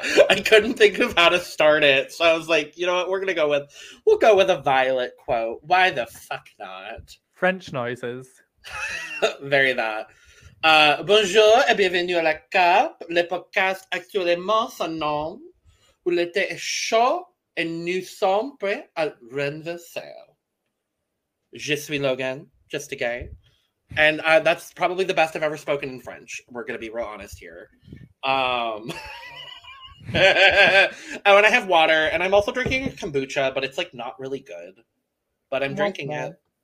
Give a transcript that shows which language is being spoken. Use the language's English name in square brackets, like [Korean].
[English] I couldn't think of how to start it, so I was like, you know what, we'll go with a Violet quote. Why the fuck not? French noises. Very that. [French] Bonjour et bienvenue à la CAP, le podcast actuellement son nom, où l'été est chaud et nous sommes prêts à renverser. Je suis Logan, [English] just a gay. And that's probably the best I've ever spoken in French. We're going to be real honest here. Oh, and I have water. And I'm also drinking a kombucha, but it's, like, not really good. But I'm drinking it.